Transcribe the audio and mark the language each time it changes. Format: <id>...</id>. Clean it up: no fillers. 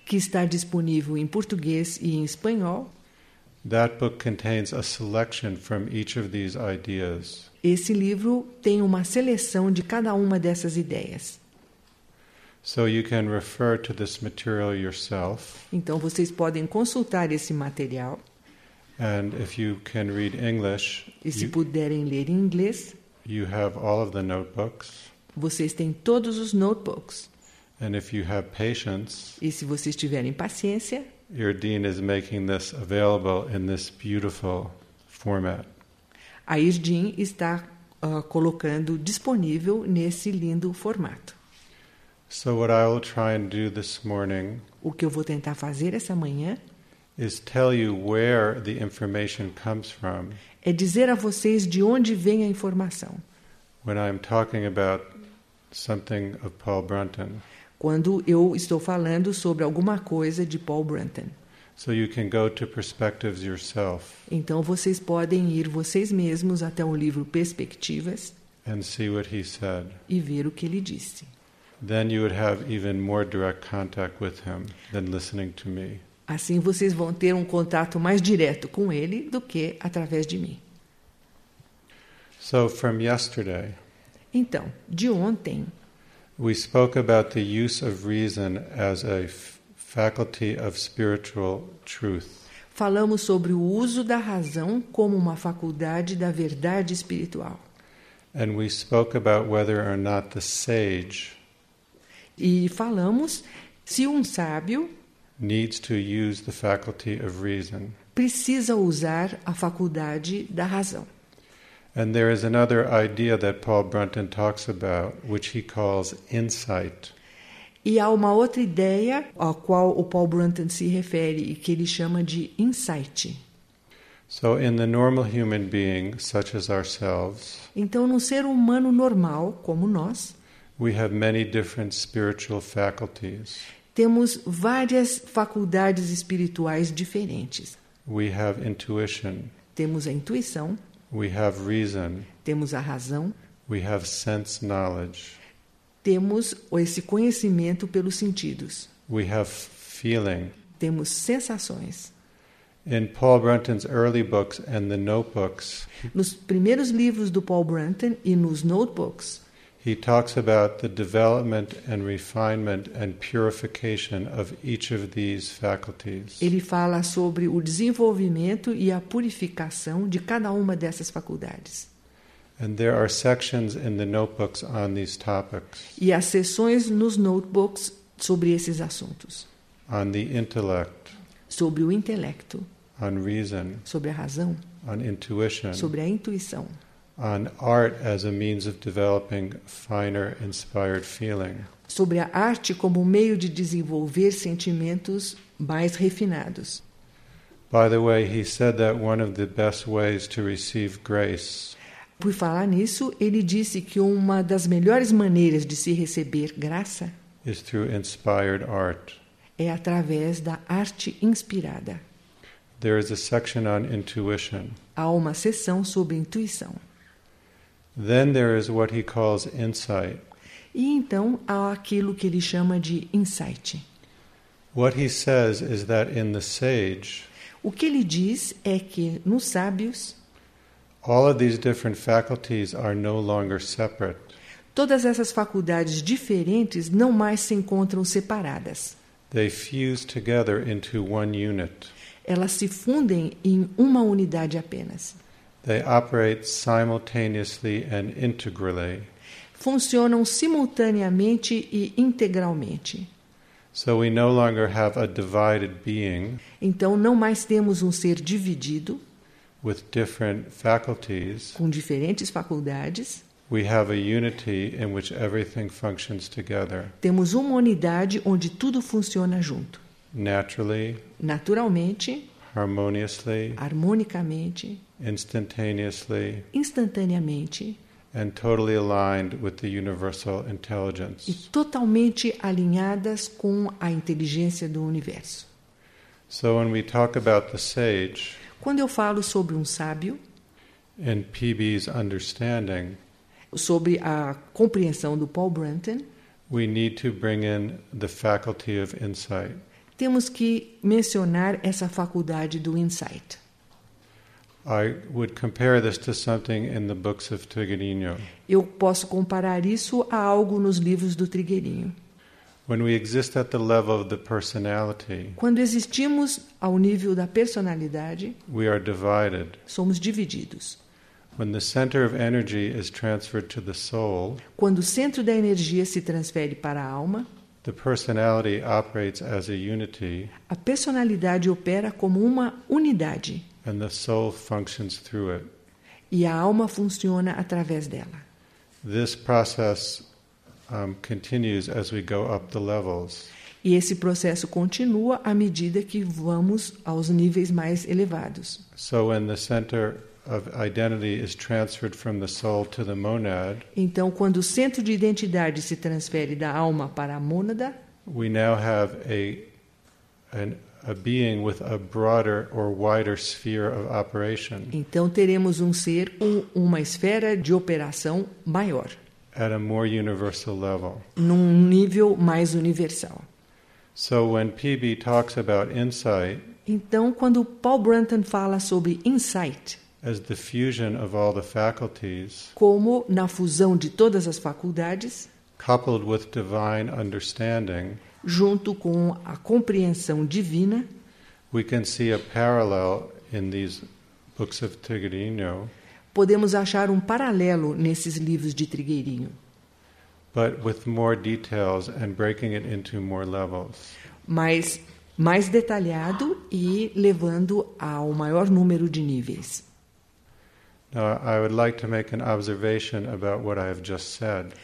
<pt>que está disponível em português e em espanhol,</pt> <en>that book contains a selection from each of these ideas.</en> <pt>Esse livro tem uma seleção de cada dessas ideias.</pt> <en>So you can refer to this material yourself.</en> <pt>Então vocês podem consultar esse material.</pt> <en>And if you can read English,</en> <pt>e se puderem ler em inglês,</pt> <en>you have all of the notebooks.</en> <pt>Vocês têm todos os notebooks.</pt> <en>And if you have patience,</en> <pt>e se vocês tiverem paciência,</pt> <en>your dean is making this available in this beautiful format.</en> <pt>A IRDIN está colocando disponível nesse lindo formato.</pt> <en>So what I will try and do this morning,</en> <pt>o que eu vou tentar fazer essa manhã,</pt> <en>is tell you where the information comes from.</en> <pt>É dizer a vocês de onde vem a informação.</pt> <en>When I'm talking about something of Paul Brunton.</en> <pt>Quando eu estou falando sobre alguma coisa de Paul Brunton.</pt> <en>So you can go to Perspectives yourself.</en> <pt>Então vocês podem ir vocês mesmos até o livro Perspectivas.</pt> <en>And see what he said.</en> <pt>E ver o que ele disse.</pt> <en>Then you would have even more direct contact with him than listening to me.</en> <pt>Assim vocês vão ter contato mais direto com ele do que através de mim.</pt> <en>So from yesterday.</en> <pt>Então, de ontem.</pt> <en>We spoke about the use of reason as a faculty of spiritual truth.</en> <pt>Falamos sobre o uso da razão como uma faculdade da verdade espiritual.</pt> <en>And we spoke about whether or not the sage.</en> <pt>E falamos se sábio</pt> <en>needs to use the faculty of reason.</en> <pt>Precisa usar a faculdade da razão.</pt> <en>And there is another idea that Paul Brunton talks about, which he calls insight.</en> <pt>E há uma outra ideia a qual o Paul Brunton se refere e que ele chama de insight.</pt> <en>So in the normal human being, such as ourselves,</en> <pt>então, num ser humano normal, como nós,</pt> <en>we have many different spiritual faculties.</en> <pt>Temos várias faculdades espirituais diferentes.</pt> <en>We have intuition.</en> <pt>Temos a intuição.</pt> <en>We have reason.</en> <pt>Temos a razão.</pt> <en>We have sense knowledge.</en> <pt>Temos esse conhecimento pelos sentidos.</pt> <en>We have feeling.</en> <pt>Temos sensações.</pt> <en>In Paul Brunton's early books and the notebooks,</en> <pt>nos primeiros livros do Paul Brunton e nos notebooks,</pt> <en>he talks about the development and refinement and purification of each of these faculties.</en> <pt>Ele fala sobre o desenvolvimento e a purificação de cada uma dessas faculdades.</pt> <en>And there are sections in the notebooks on these topics.</en> <pt>E há seções nos notebooks sobre esses assuntos.</pt> <en>On the intellect.</en> <pt>Sobre o intelecto.</pt> <en>On reason.</en> <pt>Sobre a razão.</pt> <en>On intuition.</en> <pt>Sobre a intuição.</pt> <en>On art as a means of developing finer, inspired feeling.</en> <pt>Sobre a arte como um meio de desenvolver sentimentos mais refinados.</pt> <en>By the way, he said that one of the best ways to receive grace.</en> <pt>Por falar nisso, ele disse que uma das melhores maneiras de se receber graça</pt> <en>is through inspired art.</en> <pt>É através da arte inspirada.</pt> <en>There is a section on intuition.</en> <pt>Há uma seção sobre intuição.</pt> <en>Then there is what he calls insight.</en> <pt>E então há aquilo que ele chama de insight.</pt> <en>What he says is that in the sage,</en> <pt>o que ele diz é que nos sábios,</pt> <en>all of these different faculties are no longer separate.</en> <pt>Todas essas faculdades diferentes não mais se encontram separadas.</pt> <en>They fuse together into one unit.</en> <pt>Elas se fundem em uma unidade apenas.</pt> <en>They operate simultaneously and integrally.</en> <pt>Funcionam simultaneamente e integralmente.</pt> <en>So we no longer have a divided being.</en> <pt>Então não mais temos um ser dividido.</pt> <en>With different faculties.</en> <pt>Com diferentes faculdades.</pt> <en>We have a unity in which everything functions together.</en> <pt>Temos uma unidade onde tudo funciona junto.</pt> <en>Naturally.</en> <pt>Naturalmente.</pt> <en>Harmoniously.</en> <pt>Harmonicamente.</pt> <en>Instantaneously.</en> <pt>Instantaneamente.</pt> <en>And totally aligned with the universal intelligence.</en> <pt>E totalmente alinhadas com a inteligência do universo.</pt> <en>So when we talk about the sage,</en> <pt>quando eu falo sobre um sábio,</pt> <en>and PB's understanding,</en> <pt>sobre a compreensão do Paul Brunton,</pt> <en>we need to bring in the faculty of insight.</en> <pt>Temos que mencionar essa faculdade do insight.</pt> <en>I would compare this to something in the books of Trigueirinho.</en> <pt>Eu posso comparar isso a algo nos livros do Trigueirinho.</pt> <en>When we exist at the level of the personality,</en> <pt>quando existimos ao nível da personalidade,</pt> <en>we are divided.</en> <pt>Somos divididos.</pt> <en>When the center of energy is transferred to the soul,</en> <pt>quando o centro da energia se transfere para a alma,</pt> <en>the personality operates as a unity.</en> <pt>A personalidade opera como uma unidade.</pt> <en>And the soul functions through it.</en> <pt>E a alma funciona através dela.</pt> <en>This process continues as we go up the levels.</en> <pt>E esse processo continua à medida que vamos aos níveis mais elevados.</pt> <en>So when the center of identity is transferred from the soul to the monad,</en> <pt>então quando o centro de identidade se transfere da alma para a mônada,</pt> <en>we now have a being with a broader or wider sphere of operation.</en> <pt>Então teremos um ser com uma esfera de operação maior.</pt> <en>At a more universal level.</en> <pt>Num nível mais universal.</pt> <en>So when PB talks about insight,</en> <pt>então quando Paul Brunton fala sobre insight,</pt> <en>as the fusion of all the faculties,</en> <pt>como na fusão de todas as faculdades,</pt> <en>coupled with divine understanding,</en> <pt>junto com a compreensão divina,</pt> <en>we can see a parallel in these books of Trigueirinho.</en> <pt>Podemos achar um paralelo nesses livros de Trigueirinho.</pt> <en>But with more details and breaking it into more levels.</en> <pt>Mas mais detalhado e levando ao maior número de níveis.</pt> <en>Now, I would like to make an observation about what I have just said.</en>